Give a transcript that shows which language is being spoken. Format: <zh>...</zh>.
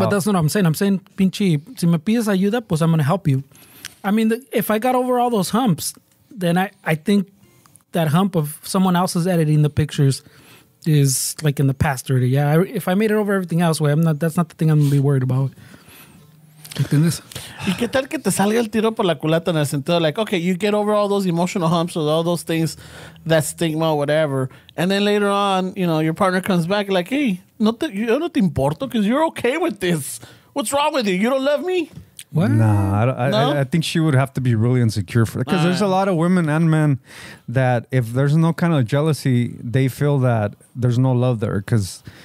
<en>But that's not what I'm saying. I'm saying,</en> <es>pinche, si me pides ayuda, pues</es> <en>I'm gonna help you. I mean, if I got over all those humps, then I think that hump of someone else's editing the pictures is like in the past already. Yeah, if I made it over everything else, well, that's not the thing I'm gonna be worried about.</en> <es>¿Y qué tal que te salga el tiro por la culata en el sentido?</es> <en>Like, okay, you get over all those emotional humps or all those things, that stigma, whatever. And then later on, you know, your partner comes back like, hey,</en> <es>yo no te importo</es> <en>because you're okay with this. What's wrong with you? You don't love me? What? I think she would have to be really insecure for it. Because there's a lot of women and men that if there's no kind of jealousy, they feel that there's no love there because...</en>